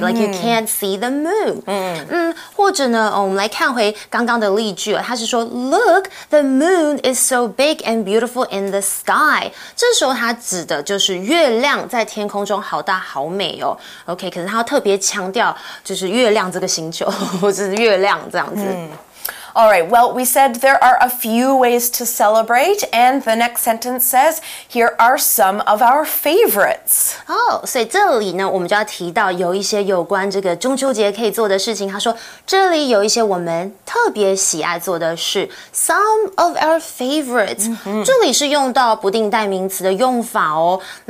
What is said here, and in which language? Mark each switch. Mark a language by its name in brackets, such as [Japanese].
[English] Like you can't see the moon. [Chinese] 或者呢、我们来看回刚刚的例句，它是说 [English] Look, the moon is so big and beautiful in the sky. [Chinese] 这时候它指的就是月亮在天空中好大好美哦。 OK, 可是它要特别强调就是月亮这个星球，或者是月亮这样子。 [English] All right, well, we said there are a few ways to celebrate, and the next sentence says, here are some of our favorites. [Chinese] Oh, 所以这里呢，我们就要提到有一些有关这个中秋节可以做的事情。他说，这里有一些我们特别喜爱做的事。 [English] Some of our favorites. [Chinese] 这里是用到不定代名词的用法哦。